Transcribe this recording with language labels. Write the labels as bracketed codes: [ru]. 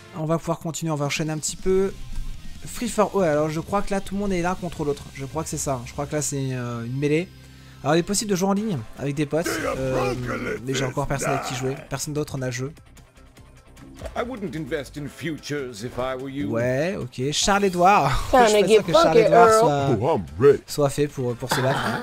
[fr] On va pouvoir continuer, on va enchaîner un petit peu. Free for all. Alors, je crois que là, tout le monde est l'un contre l'autre. Je crois que c'est ça. Je crois que là, c'est une mêlée. Alors, il est possible de jouer en ligne avec des potes. Mais j'ai encore personne avec qui jouer. Personne d'autre en a jeu. [en] I wouldn't invest in futures if I were you. [fr] Ouais, ok. Charles-Edouard. Je suis pas sûr que Charles-Edouard soit fait pour se battre.